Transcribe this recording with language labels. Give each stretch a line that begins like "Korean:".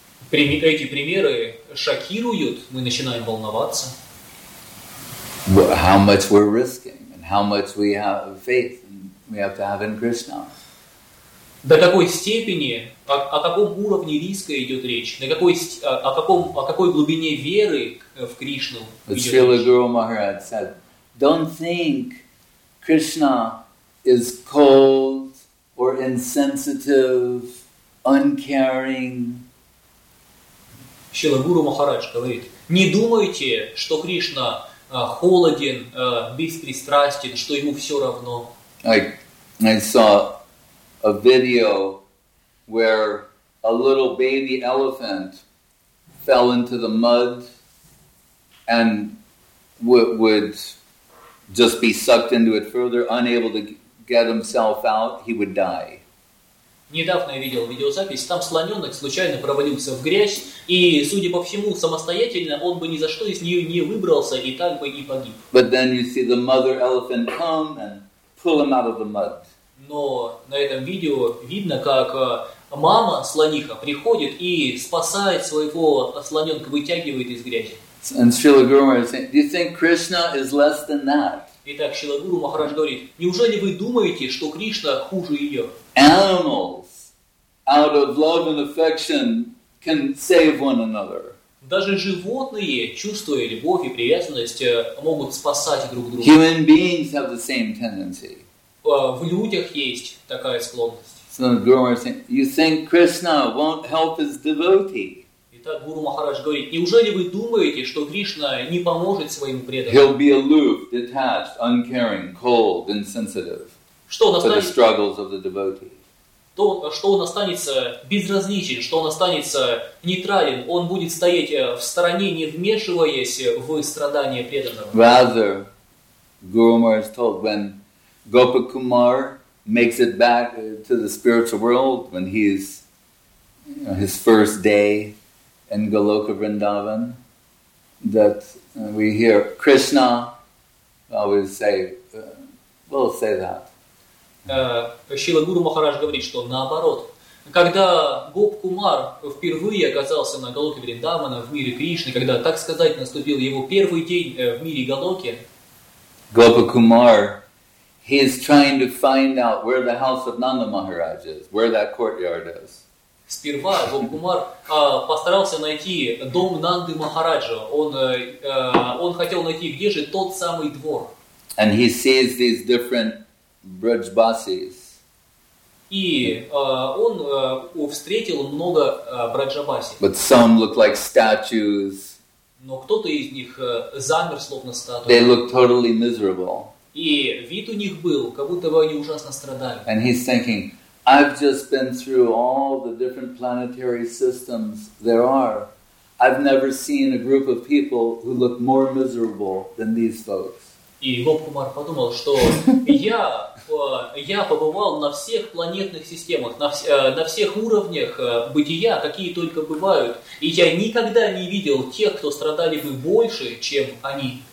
Russian: Эти примеры шокируют, мы начинаем волноваться.
English: How much we're risking, and how much we have faith we have to have in Krishna.
Russian: До какой степени, о каком уровне риска идет речь, на какой, о какой глубине веры в Кришну идет речь.
English: Srila Guru Maharaj said, don't think Krishna is cold or insensitive, uncaring.
Russian: Srila Guru Maharaj говорит, не думайте, что Кришна холоден, беспристрастен, что ему все равно.
English: I saw a video where a little baby elephant fell into the mud and would just be sucked into it further, unable to get himself out, he would die.
Russian: Недавно я видел видеозапись, там слоненок случайно провалился в грязь, и, судя по всему, самостоятельно он бы ни за что из нее не выбрался, и так бы и погиб.
English: But then you see the mother elephant come and pull him out of the mud.
Russian: Но на этом видео видно, как мама слониха приходит и спасает своего слоненка, вытягивает из грязи.
English: And Srila Guru Maharaj is saying, do you think Krishna is less than that?
Russian: Итак, Шрила Гуру Махарадж говорит, неужели вы думаете, что Кришна хуже ее?
English: Animals, out of love and affection, can save one another.
Russian: Даже животные, чувствуя любовь и привязанность, могут спасать друг друга.
English: Human beings have the same tendency.
Russian: В людях есть такая склонность.
English: So Guru Maharaj is saying, you think Krishna won't help his devotee?
Russian: Итак, Гуру Махарадж говорит, неужели вы думаете, что Кришна не поможет своим преданным?
English: He'll be aloof, detached, uncaring, cold, insensitive.
Russian: Что он останется,
English: for the struggles of the devotee.
Russian: То, что он останется безразличен, что он останется нейтрален, он будет стоять в стороне, не вмешиваясь в страдания преданного.
English: Rather, Guru Maharaj told, when Gopakumar makes it back to the spiritual world, when he's, you know, his first day in Goloka Vrindavan, that we hear Krishna always say, we'll say that.
Russian: Шрила Гуру Махарадж говорит, что наоборот. Когда Гоп Кумар впервые оказался на Голоке Вриндавана в мире Кришны, когда, так сказать, наступил его первый день в мире Голоки,
English: Гопа Кумар, he is trying to find out where the house of Nanda Maharaj is, where that courtyard is.
Russian: Сперва Гоп Кумар постарался найти дом Нанды Махараджа. Он хотел найти, где же тот самый двор.
English: And he sees these different Браджбасис.
Russian: И он встретил много браджбасис.
English: But some look like statues.
Russian: Но кто-то из них замер, словно статуя.
English: They look totally miserable.
Russian: И вид у них был, как будто бы они ужасно страдали.
English: And he's thinking, I've just been through all the different planetary systems there are. I've never seen a group of people who look more miserable than these folks.
Russian: И Гоп Кумар подумал, что я побывал на всех планетных системах, на всех уровнях бытия, какие только бывают, и я никогда не видел тех, кто страдали бы больше, чем они.